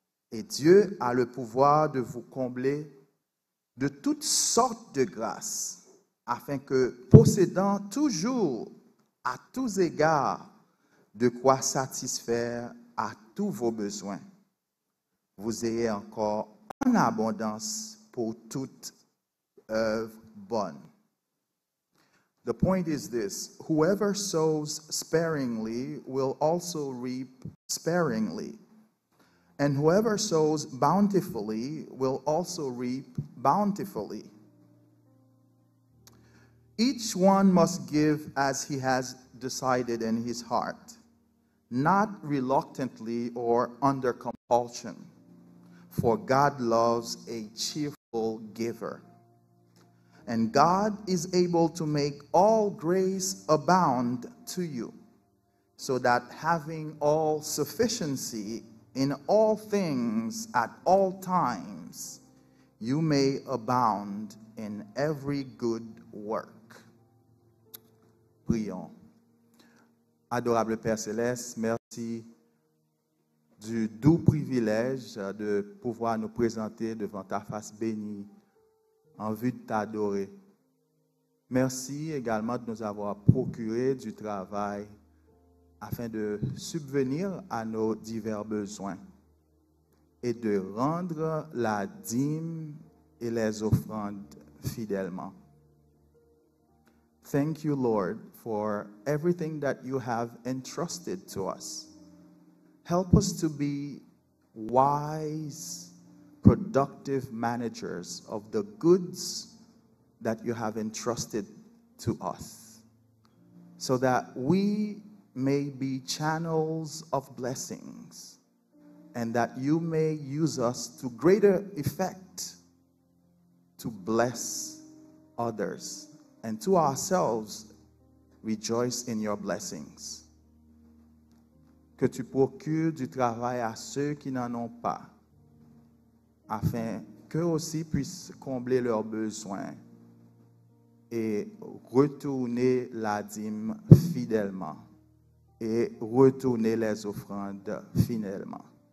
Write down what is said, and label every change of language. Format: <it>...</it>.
<fr>Et Dieu a le pouvoir de vous combler de toutes sortes de grâces, afin que, possédant toujours à tous égards de quoi satisfaire à tous vos besoins, vous ayez encore en abondance pour toute œuvre bonne.</fr> <en>The point is this: whoever sows sparingly will also reap sparingly, and whoever sows bountifully will also reap bountifully. Each one must give as he has decided in his heart, not reluctantly or under compulsion. For God loves a cheerful giver. And God is able to make all grace abound to you, so that having all sufficiency in all things at all times, you may abound in every good work. prions.</en> <fr>Adorable Père Céleste, merci du doux privilège de pouvoir nous présenter devant ta face bénie en vue de t'adorer. Merci également de nous avoir procuré du travail afin de subvenir à nos divers besoins et de rendre la dîme et les offrandes fidèlement.</fr> <en>Thank you, Lord, for everything that you have entrusted to us. Help us to be wise, productive managers of the goods that you have entrusted to us, so that we may be channels of blessings and that you may use us to greater effect to bless others and to ourselves rejoice in your blessings.</en> <fr>Que tu procures du travail à ceux qui n'en ont pas, afin qu'eux aussi puissent combler leurs besoins et retourner la dîme fidèlement et retourner les offrandes fidèlement.</fr>